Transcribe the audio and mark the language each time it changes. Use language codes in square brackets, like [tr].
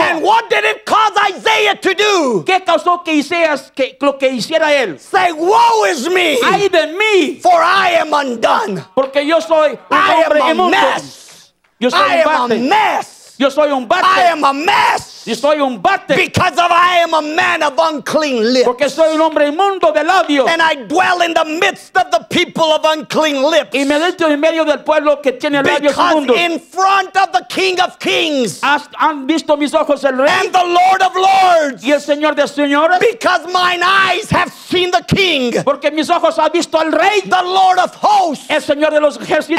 [en] And what did it cause Isaiah to do? [es] ¿Qué causó que Isaías que lo que hiciera él? [en] Say, woe is me. [es] Ay de mí. [en] For I am undone. [es] Porque yo soy un hombre inmundo. [en] I am a mess. [es] Yo soy un bate. [en] I am a mess. [es] Yo soy un bate. [en] I am a mess. Because of I am a man of unclean lips. [es] Porque soy un hombre inmundo de labios. [en] And I dwell in the midst of the people of unclean lips. [es] Y me meto en medio del pueblo que tiene labios inmundos. [en] In front of the King of Kings. [es] Han visto mis ojos el Rey. [en] And the Lord of Lords. [es] Y el Señor de Señores. [en] Because mine eyes have seen the King. [es] Porque mis ojos han visto al Rey. [en] The Lord of Hosts. [es] El Señor de los Ejércitos.